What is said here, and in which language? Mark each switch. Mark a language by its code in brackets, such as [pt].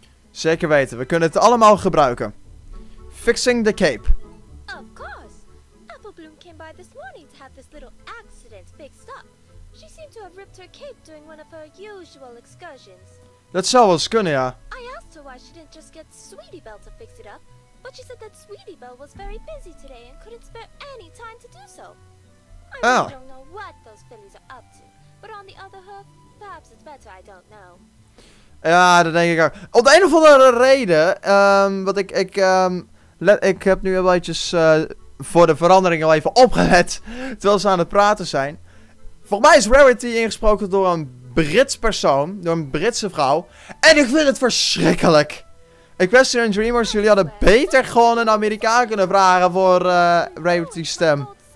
[nl] Zeker weten, we kunnen het allemaal gebruiken. [en] Fixing the cape. Of course. Applebloom came by this morning to have this little accident fixed up. She seemed to have ripped her cape during one of her usual excursions. [nl] Dat zou wel eens kunnen, ja. [en] I asked her why she didn't just get Sweetie Belle to fix it up. But she said that Sweetie Belle was very busy today and couldn't spare any time to do so. I really don't know what those fillies are up to. But on the other hand, perhaps it's better I don't know. [nl] Ja, dat denk ik ook. Op de een of andere reden, wat ik heb nu wel eventjes voor de verandering al even opgelet, terwijl ze aan het praten zijn. Volgens mij is Rarity ingesproken door een Brits persoon, door een Britse vrouw. En ik vind het verschrikkelijk. Equestrian Dreamers, jullie hadden beter gewoon een Amerikaan kunnen vragen voor Rarity's stem.